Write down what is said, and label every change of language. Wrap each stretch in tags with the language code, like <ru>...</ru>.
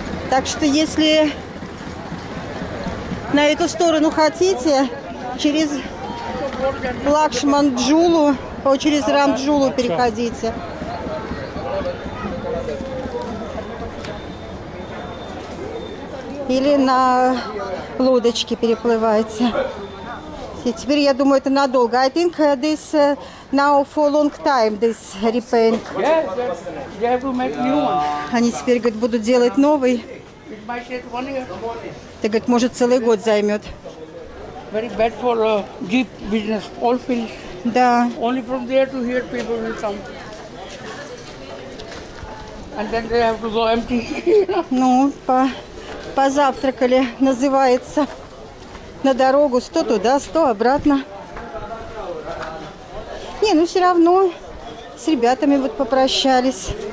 <ru>Так что, если на эту сторону хотите, через Лакшманджулу, через Рамджулу переходите. Или на лодочке переплывайте. И теперь, я думаю, это надолго.</ru> <en>I think this now for long time, this repaying.</en> <ru>Они теперь, говорят, будут делать новый. Ты, говорит, может, целый год займет.</ru> <en>Very bad for jeep business. All finish.</en> <ru>Да.</ru> <en>Only from there to here people will come. And then they have to go empty.</en> <ru>Ну, позавтракали, называется. На дорогу 100 туда, 100 обратно. Не, ну все равно с ребятами вот попрощались.</ru>